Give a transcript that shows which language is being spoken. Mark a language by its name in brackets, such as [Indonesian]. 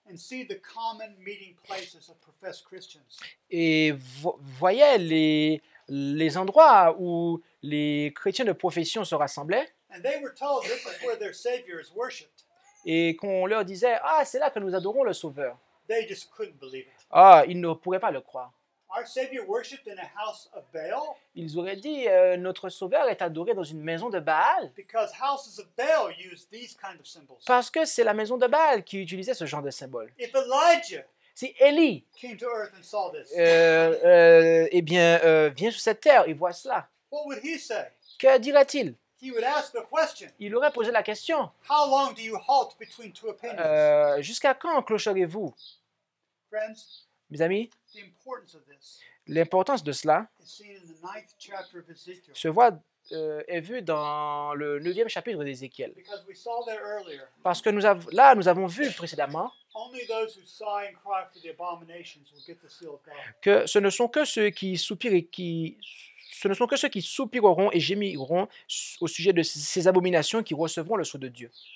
[English] and see the common meeting places of professed Christians, [French] et voyez les endroits où les chrétiens de profession se rassemblaient, [English] and they were told this is where their savior is worshipped, [French] et qu'on leur disait, ah, c'est là que nous adorons le Sauveur. [English] They just couldn't believe it. [French] Ah, ils ne pourraient pas le croire. [English] Our savior worshipped in a house of Baal. [French] Ils auraient dit, notre Sauveur est adoré dans une maison de Baal. [English] Because houses of Baal use these kind of symbols. [French] Parce que c'est la maison de Baal qui utilisait ce genre de symbole. [English] If Elijah, [French] si Élie, [English] came to earth and saw this, [French] vient sur cette terre et voit cela, [English] what would he say? [French] Que dirait-il? [English] He would ask the question. [French] Il aurait posé la question. [English] How long do you halt between two opinions? [French] Jusqu'à quand clocherez-vous? [English] Friends, [French] mes amis, [English] the importance of this, [French] l'importance de cela, [English] is seen in the ninth chapter of Ezekiel. [French] Se voit est vu dans le 9e chapitre d'Ézéchiel. [English] Because we saw there earlier. [French] Parce que nous avons vu précédemment. [English] Only those who sigh and cry for the abominations will get the seal of God. [French] Que ce ne sont que ceux qui soupirent et qui Ce ne sont que ceux qui soupireront et gémiront au sujet de ces abominations qui recevront le sceau de Dieu.